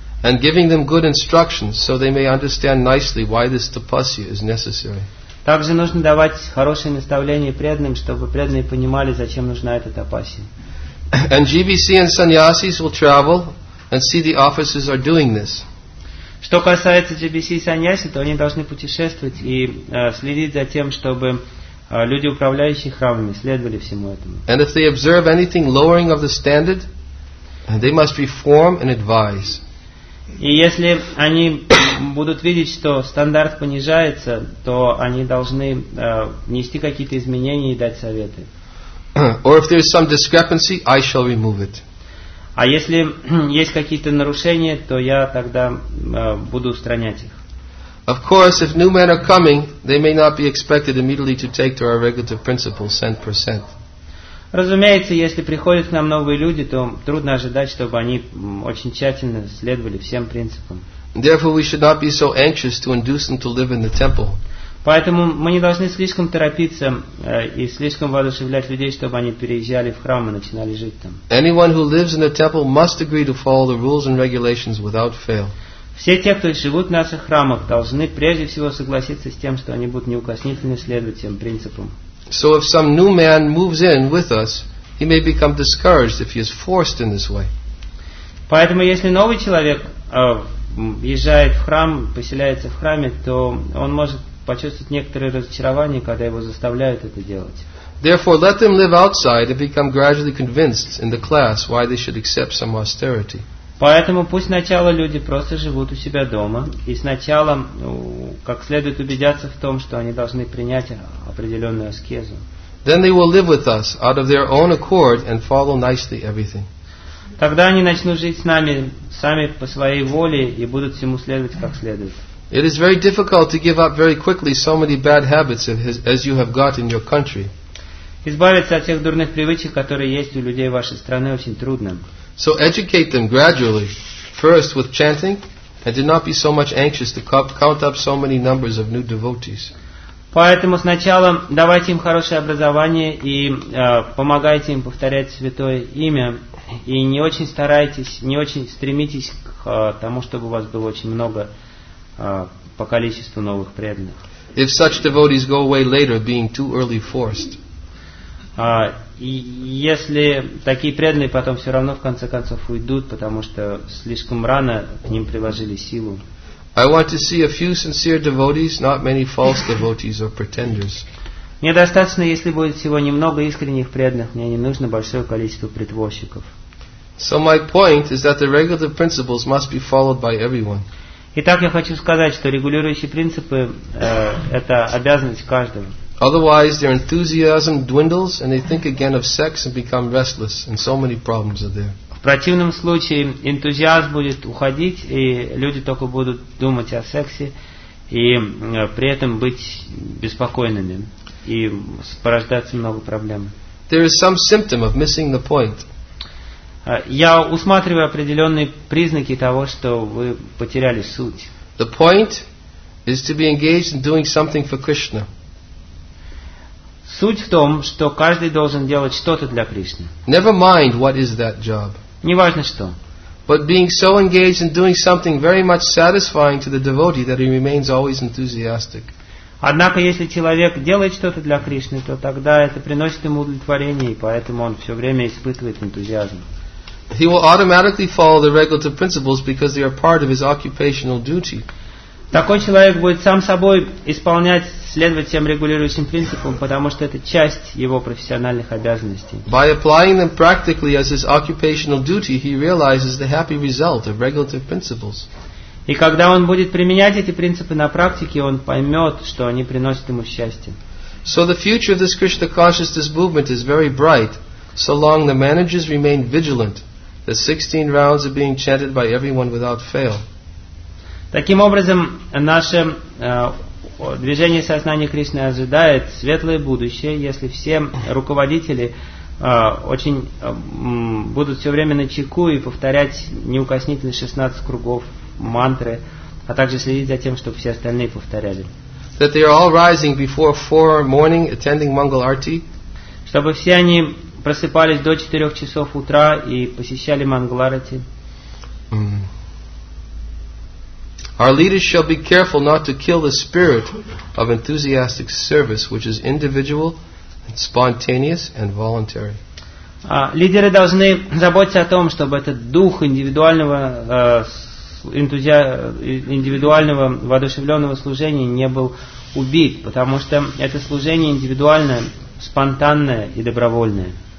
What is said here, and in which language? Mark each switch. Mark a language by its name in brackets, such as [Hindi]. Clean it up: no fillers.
[English] And giving them good instructions so they may understand nicely why this tapasya is necessary. [Russian] Также нужно давать хорошее наставление преданным, чтобы преданные понимали, зачем нужна эта тапасия. [English] And GBC and sannyasis will travel and see the officers are doing this. [Russian] Что касается GBC и sannyasi, то они должны путешествовать и следить за тем, чтобы люди, управляющие храмами, следовали всему этому. [English] And if they observe anything lowering of the standard, they must reform and advise. [Russian] И если они будут видеть, что стандарт понижается, то они должны внести какие-то изменения и дать советы. [English] Or if there is some discrepancy, I shall remove it. [Russian] А если есть какие-то нарушения, то я тогда буду устранять их. [English] Of course, if new men are coming, they may not be expected immediately to take to our regulative principle, cent per cent. [Russian] Разумеется, если приходят к нам новые люди, то трудно ожидать, чтобы они очень тщательно следовали всем принципам. [English] Therefore, we should not be so anxious to induce them to live in the temple. [Russian] Поэтому мы не должны слишком торопиться и слишком воодушевлять людей, чтобы они переезжали в храм и начинали жить там. [English] Anyone who lives in the temple must agree to follow the rules and regulations without fail. [Russian] Все те, кто живут в наших храмах, должны прежде всего согласиться с тем, что они будут неукоснительно следовать всем принципам. [English] So if some new man moves in with us, he may become discouraged if he is forced in this way. [Russian] Поэтому если новый человек въезжает в храм, поселяется в храме, то он может почувствовать некоторое разочарование, когда его заставляют это делать. [English] Therefore, let them live outside and become gradually convinced in the class why they should accept some austerity. [Russian] Поэтому пусть сначала люди просто живут у себя дома и сначала, как следует, убедятся в том, что они должны принять определенную аскезу. [English] Then they will live with us out of their own accord and follow nicely everything. [Russian] Тогда они начнут жить с нами сами по своей воле и будут всему следовать как следует. [English] It is very difficult to give up very quickly so many bad habits as you have got in your country. [Russian] Избавиться от тех дурных привычек, которые есть у людей вашей страны, очень трудно. [English] So educate them gradually, first with chanting, and do not be so much anxious to count up so many numbers of new devotees. [Russian] Поэтому сначала давайте им хорошее образование и помогайте им повторять святое имя, и не очень старайтесь, не очень стремитесь к тому, чтобы у вас было очень много по количеству новых преданных. [English] If such devotees go away later, being too early forced. [Russian] Если такие преданные потом все равно в конце концов уйдут, потому что слишком рано к ним приложили силу. [English] I want to see a few sincere devotees, not many false devotees or pretenders. [Russian] Мне достаточно, если будет всего немного искренних преданных, мне не нужно большое количество притворщиков. [English] So my point is that the regulative principles must be followed by everyone. [Russian] Итак, я хочу сказать, что регулирующие принципы это обязанность каждого. [English] Otherwise, their enthusiasm dwindles, and they think again of sex and become restless, and so many problems are there. [Russian] В противном случае энтузиазм будет уходить, и люди только будут думать о сексе, и при этом быть беспокойными, и порождаться много проблем. [English] There is some symptom of missing the point. [Russian] Я усматриваю определенные признаки того, что вы потеряли суть. [English] The point is to be engaged in doing something for Krishna. [Russian] Суть в том, что каждый должен делать что-то для Кришны. [English] Never mind what is that job. [Russian] Не важно что. [English] But being so engaged in doing something very much satisfying to the devotee that he remains always enthusiastic. [Russian] Однако, если человек делает что-то для Кришны, то тогда это приносит ему удовлетворение, и поэтому он все время испытывает энтузиазм. [English] He will automatically follow the regulative principles because they are part of his occupational duty. [Russian] Такой человек будет сам собой исполнять, следовать всем регулирующим принципам, потому что это часть его профессиональных обязанностей. [English] By applying them practically as his occupational duty, he realizes the happy result of regulative principles. [Russian] И когда он будет применять эти принципы на практике, он поймет, что они приносят ему счастье. [English] So the future of this Krishna consciousness movement is very bright, so long the managers remain vigilant. The 16 rounds are being chanted by everyone without fail. [Russian] Таким образом, наше движение сознания Кришны ожидает светлое будущее, если все руководители будут все время на чеку и повторять неукоснительно 16 кругов мантры, а также следить за тем, чтобы все остальные повторяли. [English] That they are all rising before 4 morning, attending Mangal Arti. [Russian] Чтобы все они просыпались до 4 часов утра и посещали Mangal Arti. [English] Our leaders shall be careful not to kill the spirit of enthusiastic service, which is individual, and spontaneous, and voluntary. [Russian] Лидеры должны заботиться о том, чтобы этот дух индивидуального индивидуального воодушевленного служения не был убит, потому что это служение индивидуальное, спонтанное и добровольное.